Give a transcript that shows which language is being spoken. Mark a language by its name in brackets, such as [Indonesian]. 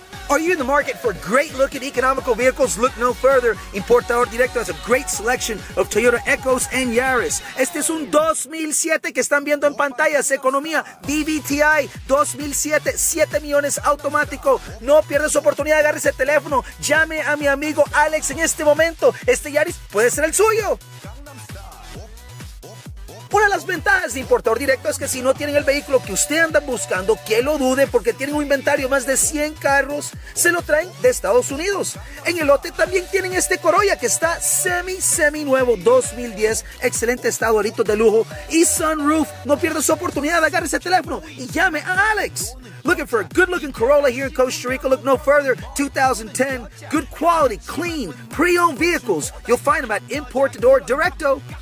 [English] Are you in the market for great looking economical vehicles? Look no further. Importador Directo has a great selection of Toyota Echos and Yaris. [Spanish] Este es un 2007 que están viendo en pantallas. Economía BVTI 2007, 7 millones automático. No pierdas oportunidad de agarrar ese teléfono. Llame a mi amigo Alex en este momento. Este Yaris puede ser el suyo. Una de las ventajas de Importador Directo es que si no tienen el vehículo que usted anda buscando, que lo dude, porque tienen un inventario más de 100 carros, se lo traen de Estados Unidos. En el lote también tienen este Corolla que está semi nuevo, 2010, excelente estado, aritos de lujo y sunroof. No pierdas su oportunidad, agarre ese teléfono y llame a Alex. [English] Looking for a good looking Corolla here in Costa Rica? Look no further. 2010, good quality, clean, pre-owned vehicles. You'll find them at Importador Directo.